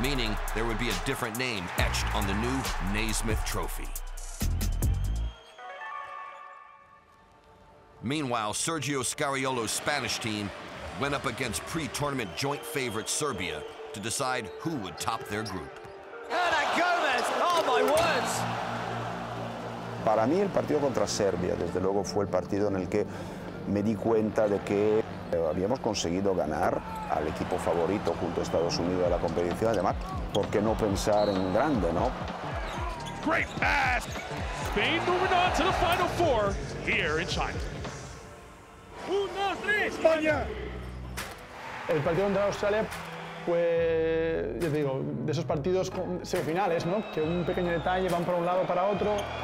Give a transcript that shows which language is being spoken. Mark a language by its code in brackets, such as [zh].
[en] Meaning there would be a different name etched on the new Naismith Trophy. Meanwhile, Sergio Scariolo's Spanish team went up against pre-tournament joint favorite Serbia to decide who would top their group. Hernan Gomez, oh my words! [es] Para mí, el partido contra Serbia, desde luego, fue el partido en el que me di cuenta de que habíamos conseguido ganar al equipo favorito junto a Estados Unidos de la competición. Además, ¿por qué no pensar en grande, no? [en] Great pass! Spain moving on to the final four here in China. [es] ¡Uno, dos, tres, España! El partido contra Australia fue, yo te digo, de esos partidos semifinales, ¿no? Que un pequeño detalle van para un lado, para otro.